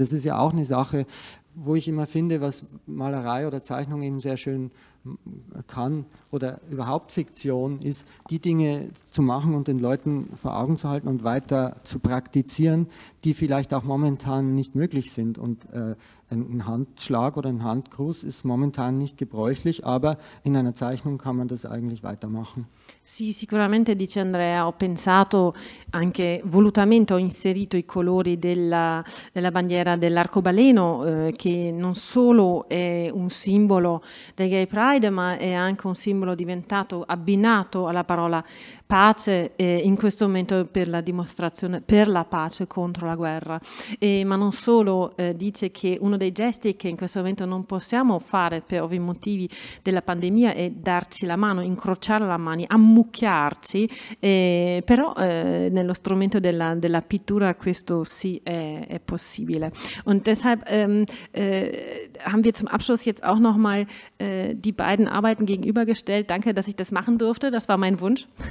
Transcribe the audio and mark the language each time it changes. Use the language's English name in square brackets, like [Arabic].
[German] Das ist ja auch eine Sache, wo ich immer finde, was Malerei oder Zeichnung eben sehr schön kann oder überhaupt Fiktion ist, die Dinge zu machen und den Leuten vor Augen zu halten und weiter zu praktizieren, die vielleicht auch momentan nicht möglich sind. Und ein Handschlag oder ein Handgruß ist momentan nicht gebräuchlich, aber in einer Zeichnung kann man das eigentlich weitermachen. [Italian] Sì, sicuramente, dice Andrea, ho pensato anche volutamente, ho inserito i colori della bandiera dell'arcobaleno, che non solo è un simbolo del Gay Pride, ma è anche un simbolo diventato abbinato alla parola pace in questo momento per la dimostrazione per la pace contro la guerra. Ma non solo, dice che uno dei gesti che in questo momento non possiamo fare per ovvi motivi della pandemia è darci la mano, incrociare la mano, ammucchiarci, però nello strumento della pittura questo sì è possibile. [German] Und deshalb haben wir zum Abschluss jetzt auch noch mal die beiden Arbeiten gegenübergestellt. Danke, dass ich das machen durfte, das war mein Wunsch.